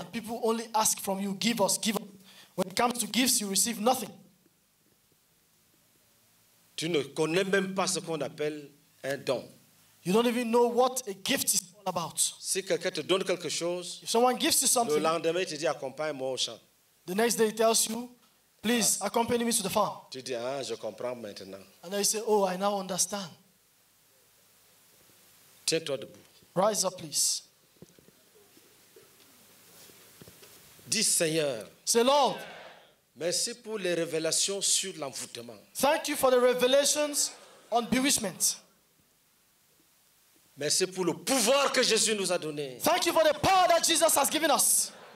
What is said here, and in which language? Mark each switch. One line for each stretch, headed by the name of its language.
English: And people only ask from you, give us, when it comes to gifts, you receive nothing.
French: Tu ne connais même pas ce qu'on appelle un don.
English: You don't even know what a gift is all about.
French: Si quelqu'un te donne quelque chose,
English: if someone gives you something,
French: le lendemain, tu dis, accompagne-moi au champ.
English: The next day, he tells you, please, accompany me to the farm.
French: Tu dis, ah, je comprends maintenant.
English: And then you say, oh, I now understand.
French: Tiens-toi debout.
English: Rise up, please.
French: Dis Seigneur.
English: Say Lord.
French: Merci pour les révélations sur l'envoûtement.
English: Thank you for the revelations on bewitchment.
French: Merci pour le pouvoir que Jésus nous a donné.
English: Thank you for the power that Jesus has given us.